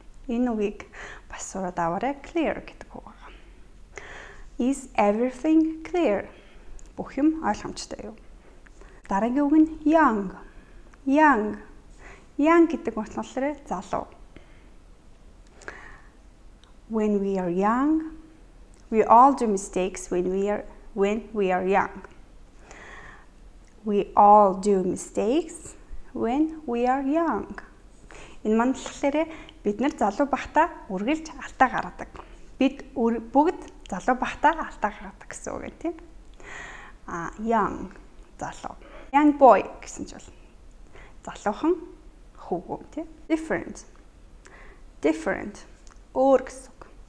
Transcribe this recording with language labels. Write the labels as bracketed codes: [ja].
[mn] Энэ үгийг бас сураад аваарай. Clear гэдэг үг байгаа. [en] Is everything clear? [mn] Бүх юм ойлгомжтой юу? Дараагийн үг нь young. [en] Young. [mn] Young гэдэг нь болохоор залуу. [en] When we are young, we all do mistakes when we are young. We all do mistakes when we are young. [mn] Энэ маань болохоор бид нар залуу бахтаа үргэлж алдаа гаргадаг. Бид бүгд залуу бахтаа алдаа гаргадаг гэсэн үг гэдэг тийм. А young залуу. [en] Young boy [mn] гэсэн чинь залуухан хүүхэн тийм. [en] Different. Different. [mn] Өөр гэсэн үг.